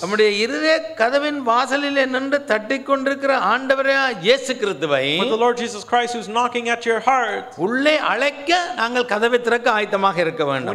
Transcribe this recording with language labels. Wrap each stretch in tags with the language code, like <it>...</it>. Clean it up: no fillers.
<ta>நம்முடைய இருதய கதவின் வாசலில் நின்று தட்டிக்கொண்டிருக்கிற ஆண்டவரே இயேசு கிறிஸ்துவை,</ta> <en>the Lord Jesus Christ who's knocking at your heart,</en> <ta>உள்ளே அழைக்க நாங்கள் கதவை திறக்க ஆயத்தமாக இருக்க வேண்டும்.</ta>